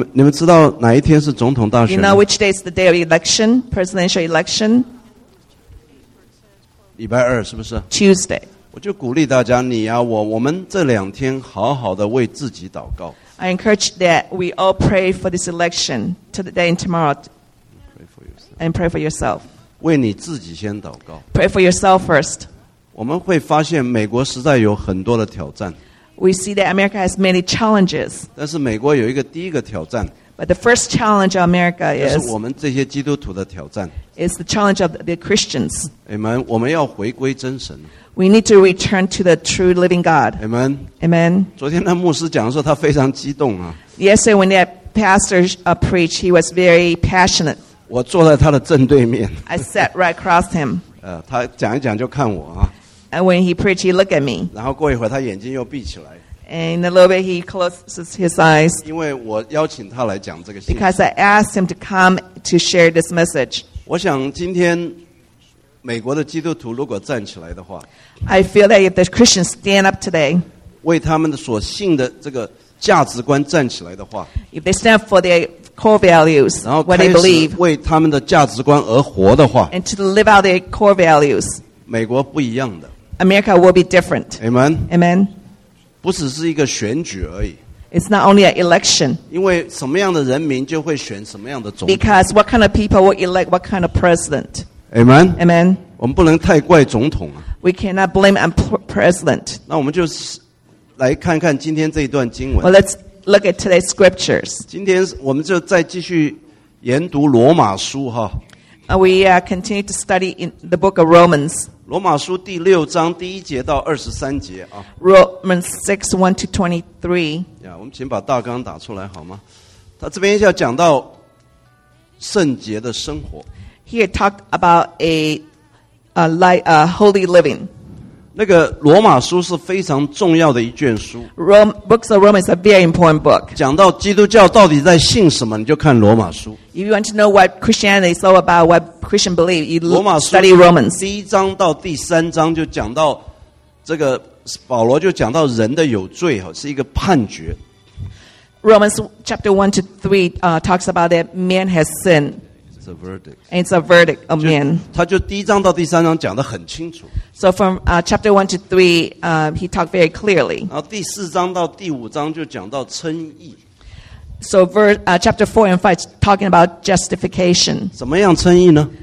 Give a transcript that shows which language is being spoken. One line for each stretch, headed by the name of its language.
Chinese: 你们知道哪一天是总统大选吗?
English: You know which day is the day of election, presidential election?
Chinese: 礼拜二是不是?
English: Tuesday.
Chinese: 我就鼓励大家，你啊，我们这两天好好的为自己祷告。
English: I encourage that we all pray for this election today and tomorrow. Pray for yourself. And pray for yourself.
Chinese: 为你自己先祷告。
English: Pray for yourself first.
Chinese: 我们会发现美国实在有很多的挑战。
English: We see that America has many challenges.
Chinese: 但是美国有一个第一个挑战。
English: But the first challenge of America is.
Chinese: 是我们这些基督徒的挑战。
English: Is the challenge of the Christians.
Chinese: Amen. 我们要回归真神。
English: We need to return to the true living God. Amen. Amen.
Chinese: 昨天那牧师讲的时候，他非常激动啊。
English: Yesterday when that pastor preached, he was very passionate.
Chinese: 我坐在他的正对面。
English: I sat right across him.
Chinese: 他讲一讲就看我啊。
English: And when he preached, he looked at me.
Chinese: 然后过一会儿，他眼睛又闭起来。
English: And a little bit, he closes his eyes.
Chinese: 因为我邀请他来讲这个信息。
English: Because I asked him to come to share this message.
Chinese: 我想今天美国的基督徒如果站起来的话，
English: I feel that if the Christians stand up today,
Chinese: 为他们所信的这个价值观站起来的话，
English: if they stand for their core values, what they believe,
Chinese: 为他们的价值观而活的话，
English: and to live out their core values,
Chinese: 美国不一样的。
English: America will be different. Amen. Amen.
Chinese: 不只是一个选举而已。
English: It's not only an election.
Chinese: 因为什么样的人民就会选什么样的总统。
English: Because what kind of people will elect what kind of president? Amen. Amen.
Chinese: 我们不能太怪总统啊。
English: We cannot blame a president.
Chinese: 那我们就来看看今天这一段经文。
English: Well, let's look at today's scriptures.
Chinese: 今天我们就再继续研读罗马书哈。
English: We continue to study in the book of Romans.
Chinese: 罗马书第六章第一节到二十三节啊。
English: Romans 6:1-23.
Chinese: 呀，我们请把大纲打出来好吗？他这边要讲到圣洁的生活。
English: He talked about a holy living.
Chinese: 那个罗马书是非常重要的一卷书。
English: Books of Romans are very important book.
Chinese: 讲到基督教到底在信什么，你就看罗马书。
English: If you want to know what Christianity is all about, what Christian believe, you study Romans.
Chinese: 第一章到第三章就讲到这个保罗就讲到人的有罪是一个判决。
English: Romans chapter 1-3 talks about that man has sinned. It's a verdict. And it's a verdict of man.
Chinese: 他就第一章到第三章讲得很清楚。
English: So from chapter 1-3, he talked very clearly.
Chinese: 然后第四章到第五章就讲到称义。
English: So chapter 4 and 5 is talking about justification.
Chinese: 怎么样称义呢?